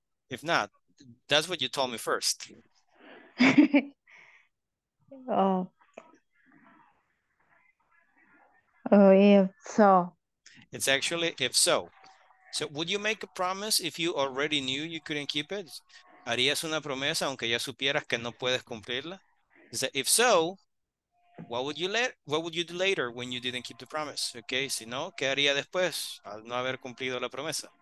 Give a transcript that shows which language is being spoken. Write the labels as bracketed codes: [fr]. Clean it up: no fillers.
[en] If not, that's what you told me first. Oh, if so. It's actually if so. So would you make a promise if you already knew you couldn't keep it? [es] ¿Harías una promesa aunque ya supieras que no puedes cumplirla? [en] Is that, if so, what would you do later when you didn't keep the promise? [es] Okay, si no, ¿qué haría después al no haber cumplido la promesa?